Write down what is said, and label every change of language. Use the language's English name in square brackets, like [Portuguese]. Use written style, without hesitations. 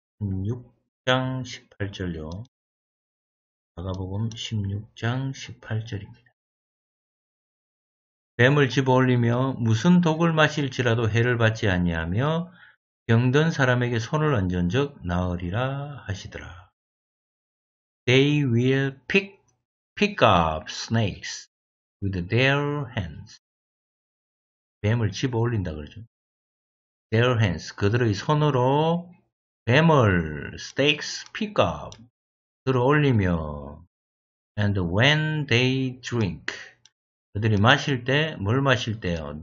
[Korean] 6장 18절요. 마가복음 16장 18절입니다. 뱀을 집어올리며 무슨 독을 마실지라도 해를 받지 아니하며 병든 사람에게 손을 얹은 즉 나으리라 하시더라. [English] They will pick up snakes with their hands. [Korean] 뱀을 집어올린다 그러죠. [English] Their hands. [Korean] 그들의 손으로 뱀을 [English] snakes pick up [Korean] 들어올리며 [English] and when they drink [Korean] 그들이 마실 때 뭘 마실 때요?